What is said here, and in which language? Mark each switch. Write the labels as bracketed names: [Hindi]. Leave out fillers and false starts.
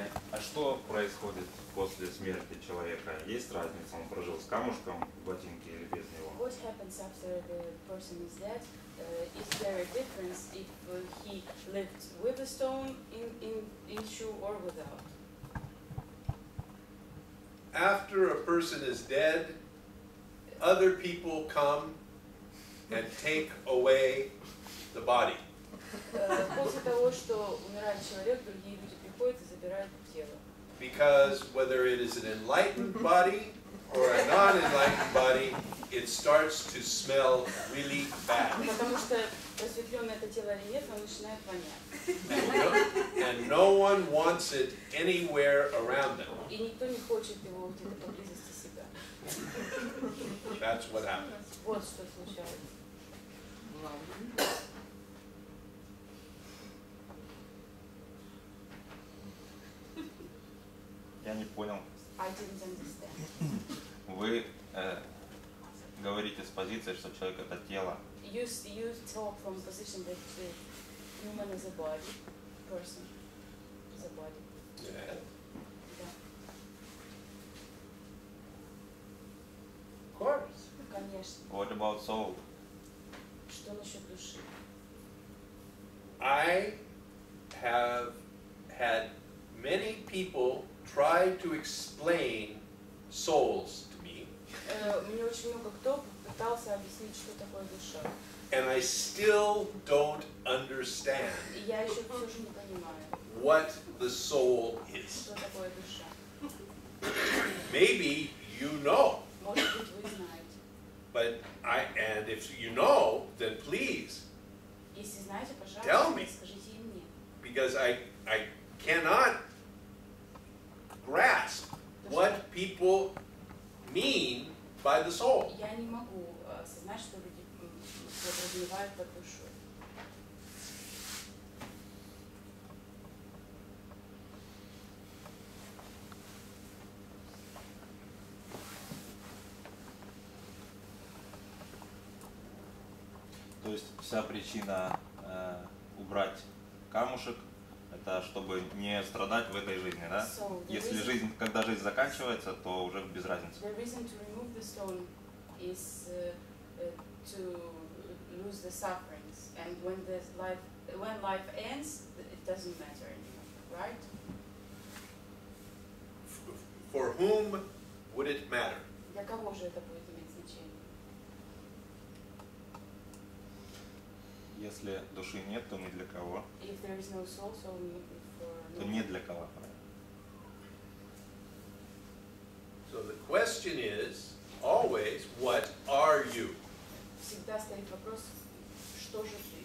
[Russian] А что происходит после смерти человека? Есть разница, он прожил с камушком в ботинке или без него? [English] What happens after the person is dead? Is there a difference if he lived with a stone in shoe or without? After a person is dead, other people come and take away the body. [Russian] После того, что умирает человек, другие люди приходят и забирают тело. [English] Because whether it is an enlightened body or a non-enlightened body, it starts to smell really bad. [Russian] Потому что просветленное это тело или нет, оно начинает вонять. [English] And no one wants it anywhere around them. [Russian] И никто не хочет его где-то поблизости себя. [English] That's what happens. [Russian] Вот что случается. Я не понял. [English] I didn't understand. [Russian] Вы говорите с позиции, что человек это тело. [English] You talk from a position that the human is a body, person is a body. Yeah. Of course. [Russian] Конечно. [English] What about soul? [Russian] Что насчет души? [English] I have had many people try to explain souls to me. [Russian] Мне очень много кто пытался объяснить, что такое душа. [English] And I still don't understand. [Russian] Я еще все же не понимаю. [English] What the soul is. [Russian] Что такое душа? [English] Maybe you know. [Russian] Может быть, вы знаете. [English] But I and if you know, then please. [Russian] Если знаете, пожалуйста, [English] tell me. [Russian] Скажите мне. [English] Because I cannot grasp what people mean by the soul. [Russian] Я не могу осознать, что люди подразумевают под душой. То есть вся причина убрать камушек, это чтобы не страдать в этой жизни, да? [English] So [Russian] если жизнь, когда жизнь заканчивается, то уже без разницы. [English] The reason to remove the stone is to lose the sufferings, and when the life, when life ends, it doesn't matter anymore, right? For whom would it matter? [Russian] Для кого же это будет иметь значение? Если души нет, то ни для кого. [English] If there is no soul, so for no [Russian] то ни для кого. [English] So the question is always, what are you? [Russian] Всегда стоит вопрос, что же ты?